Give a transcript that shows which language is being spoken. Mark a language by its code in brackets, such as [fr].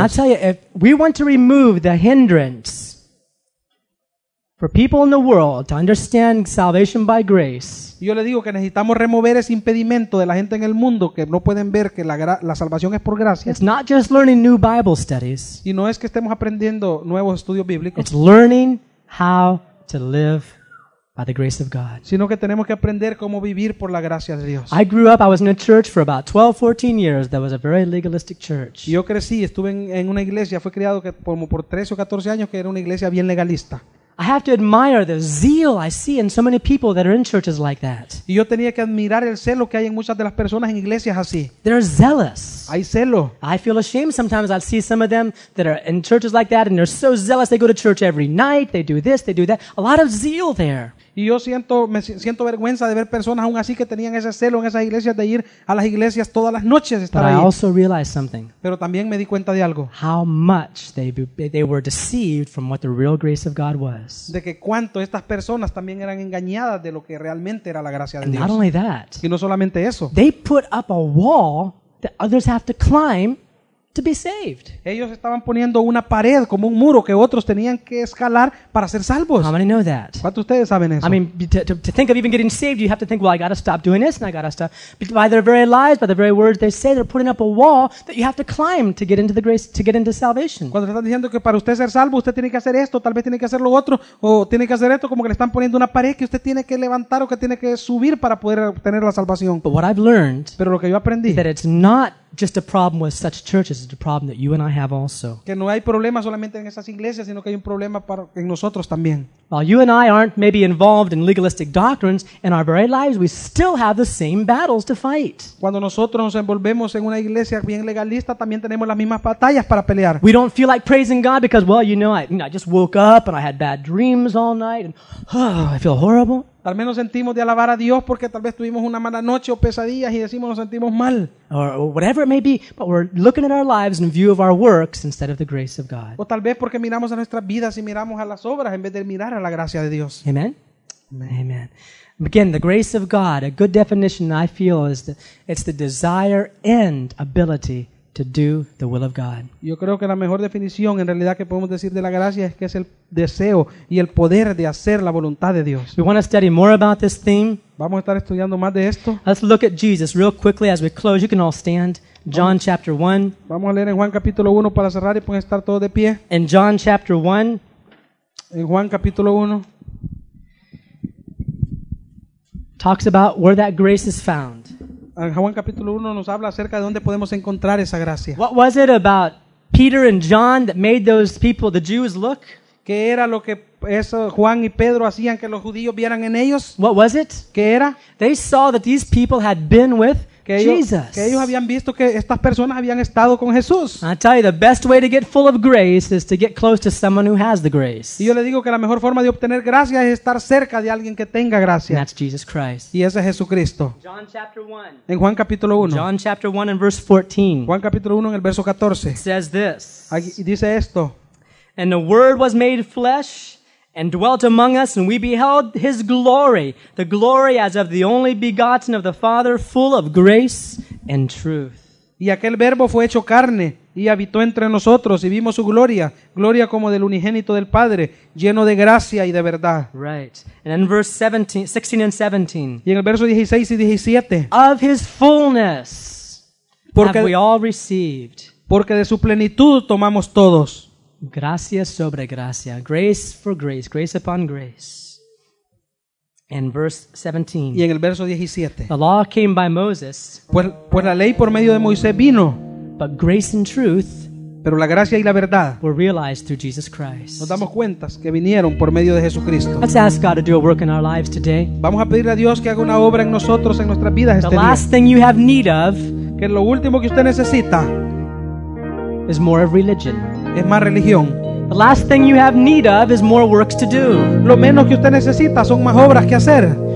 [en] And I tell you, if we want to remove the hindrance for people in the world to understand salvation by grace. [es] Yo le digo que necesitamos remover ese impedimento de la gente en el mundo que no pueden ver que la salvación es por gracia. [en] It's not just learning new Bible studies. [es] Y no es que estemos aprendiendo nuevos estudios bíblicos. [en] It's learning how to live by the grace of God. [es] Sino que tenemos que aprender cómo vivir por la gracia de Dios. [en] I grew up, I was in a church for about 12, 14 years that was a very legalistic church. [es] Yo crecí, estuve en una iglesia, fui criado como por 13 o 14 años que era una iglesia bien legalista. [en] I have to admire the zeal I see in so many people that are in churches like that. [es] Y yo tenía que admirar el celo que hay en muchas de las personas en iglesias así. [en] They're zealous. [es] Hay celo. [en] I feel ashamed sometimes I'll see some of them that are in churches like that and they're so zealous they go to church every night, they do this, they do that. A lot of zeal there. [es] Y yo siento vergüenza de ver personas aún así que tenían ese celo en esas iglesias de ir a las iglesias todas las noches estar [en] But [es] ahí. [en] I also realized something. [es] Pero también me di cuenta de algo. [en] How much they were deceived from what the real grace of God was. [es] De que cuánto estas personas también eran engañadas de lo que realmente era la gracia de [en] And [es] Dios. [en] Not only that, [es] y no solamente eso. [en] They put up a wall that others have to climb to be saved. [es] Ellos estaban poniendo una pared como un muro que otros tenían que escalar para ser salvos. [en] How many know that? [es] ¿Cuántos ustedes saben eso? [en] I mean, to think of even getting saved, you have to think, well, I got to stop doing this and I got to stop. But by their very lives, by the very words they say, they're putting up a wall that you have to climb to get into the grace, to get into salvation. [es] Cuando están diciendo que para usted ser salvo, usted tiene que hacer esto, tal vez tiene que hacer lo otro, o tiene que hacer esto, como que le están poniendo una pared que usted tiene que levantar o que tiene que subir para poder obtener la salvación. [en] But what I've learned, [es] pero lo que yo aprendí, [en] is that it's not just a problem with such churches, it's a problem that you and I have also. [es] Que no hay problema solamente en esas iglesias, sino que hay un problema para en nosotros también. [en] While you and I aren't maybe involved in legalistic doctrines, in our very lives, we still have the same battles to fight. [es] Cuando nosotros nos envolvemos en una iglesia bien legalista, también tenemos las mismas batallas para pelear. [en] We don't feel like praising God because, well, I just woke up and I had bad dreams all night, and I feel horrible. [es] Tal vez nos sentimos de alabar a Dios porque tal vez tuvimos una mala noche o pesadillas y decimos nos sentimos mal. [en] Or whatever it may be, but we're looking at our lives in view of our works instead of the grace of God. [es] O tal vez porque miramos a nuestras vidas y miramos a las obras en vez de mirar a la gracia de Dios. [en] Amen. Amen. Again, the grace of God, a good definition I feel is that it's the desire and ability to do the will of God. [es] Yo creo que la mejor definición en realidad que podemos decir de la gracia es que es el deseo y el poder de hacer la voluntad de Dios. [en] We want to study more about this theme. [es] Vamos a estar estudiando más de esto. [en] Let's look at Jesus real quickly as we close. You can all stand. John chapter 1. [es] Vamos a leer en Juan capítulo 1 para cerrar y pueden estar todos de pie. [en] In John chapter 1, [es] En Juan capítulo 1. [en] Talks about where that grace is found. [es] En Juan capítulo 1 nos habla acerca de dónde podemos encontrar esa gracia. [en] What was it about Peter and John that made those people, the Jews, look? [es] ¿Qué era lo que eso Juan y Pedro hacían que los judíos vieran en ellos? [en] What was it? [es] ¿Qué era? [en] They saw that these people had been with Jesus. [es] Que ellos habían visto que estas personas habían estado con Jesús. [en] I tell you, the best way to get full of grace is to get close to someone who has the grace. [es] Y yo le digo que la mejor forma de obtener gracia es estar cerca de alguien que tenga gracia. [en] And that's Jesus Christ. [es] Y ese es Jesucristo. [en] John chapter 1. [es] En Juan capítulo 1. [en] John chapter 1 and verse 14. [es] Juan capítulo 1 en el verso 14. [en] Says this. [es] Dice esto. [en] And the Word was made flesh and dwelt among us, and we beheld his glory, the glory as of the only begotten of the Father, full of grace and truth. [es] Y aquel verbo fue hecho carne, y habitó entre nosotros, y vimos su gloria, gloria como del unigénito del Padre, lleno de gracia y de verdad. [en] Right. And in verse 16 and 17. [es] Y en el verso 16 y 17. [en] Of his fullness have we all received. [es] Porque de su plenitud tomamos todos. Gracia sobre gracia, [en] grace for grace, grace upon grace. And verse 17. [es] Y en el verso 17. [en] The law came by Moses. [es] Pues la ley por medio de Moisés vino. [en] But grace and truth. [es] Pero la gracia y la verdad. [en] Were realized through Jesus Christ. [es] Nos damos cuentas que vinieron por medio de Jesucristo. [en] Let's ask God to do a work in our lives today. [es] Vamos a pedirle a Dios que haga una obra en nosotros en nuestras vidas este día. [en] The last thing you have need of. [es] Que lo último que usted necesita. [en] Is more of religion. [es] Es más religión. [en] The last thing you have need of is more works to do. [es] Lo menos que usted necesita son más obras que hacer.